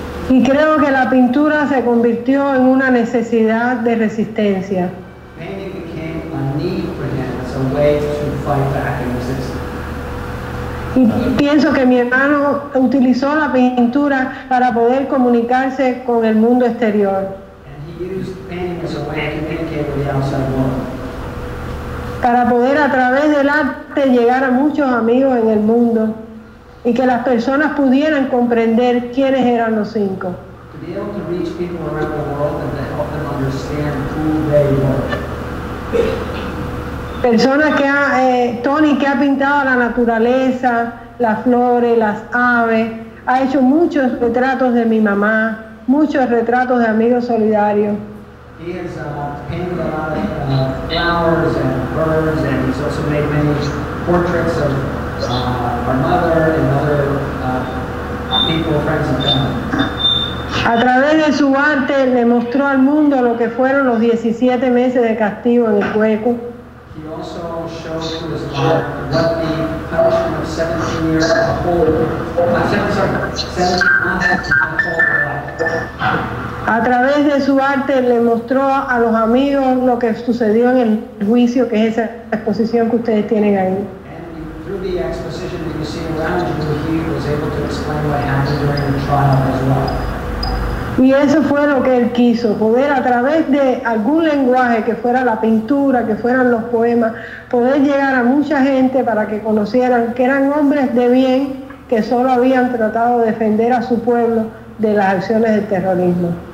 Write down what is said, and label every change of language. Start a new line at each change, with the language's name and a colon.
Spanish: Y creo que la pintura se convirtió en una necesidad de resistencia.
English: Painting became a need for him as a way to fight back and resist.
Spanish: Y pienso que mi hermano utilizó la pintura para poder comunicarse con el mundo exterior.
English: And he used painting as a way to communicate with the outside world.
Spanish: Para poder a través del arte llegar a muchos amigos en el mundo. Y que las personas pudieran comprender quiénes eran los cinco.
English: To be able to reach people around the world and to help them understand who they were.
Spanish: Personas que ha, Tony, que ha pintado la naturaleza, las flores, las aves, ha hecho muchos retratos de mi mamá, muchos retratos de amigos solidarios.
English: He has painted a lot of flowers and birds, and he's also made many portraits of our mother and other people, friends and family.
Spanish: A través de su arte le mostró al mundo lo que fueron los 17 meses de castigo en el hueco.
English: He also showed through his art what the punishment of 17 years of a whole, I'm sorry, 17 months of a whole life.
Spanish: A través de su arte le mostró a los amigos lo que sucedió en el juicio, que es esa exposición que ustedes tienen ahí.
English: And through through the exposition that you see around you, that he was able to explain what happened during the trial as well.
Spanish: Y eso fue lo que él quiso, poder a través de algún lenguaje, que fuera la pintura, que fueran los poemas, poder llegar a mucha gente para que conocieran que eran hombres de bien que solo habían tratado de defender a su pueblo de las acciones del terrorismo.